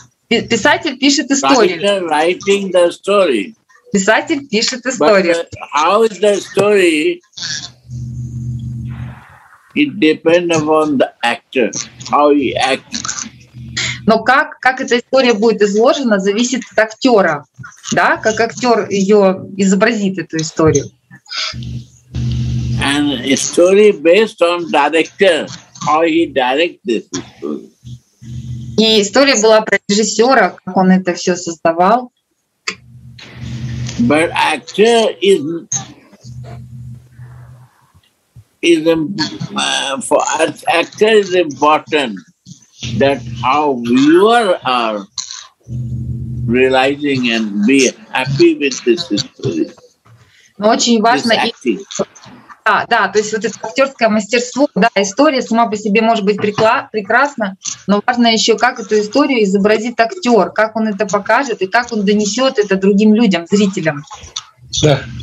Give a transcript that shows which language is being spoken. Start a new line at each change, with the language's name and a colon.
Russian: Писатель пишет историю.
English: Writer writing the story.
Russian: Писатель пишет историю.
English: How is the story? It depends upon the actor, how he acts.
Russian: Но как эта история будет изложена, зависит от актера, да? Как актер ее изобразит, эту историю.
English: And a story based on director. how he directed the story.
Russian: И история была про режиссера, как он это все создавал.
English: But actor is for us, actor is important that how viewer are realizing and be happy with this story.
Russian: Но очень важно и да, то есть вот это актерское мастерство, да, история сама по себе может быть прекрасна, но важно еще, как эту историю изобразит актер, как он это покажет и как он донесет это другим людям, зрителям. Да.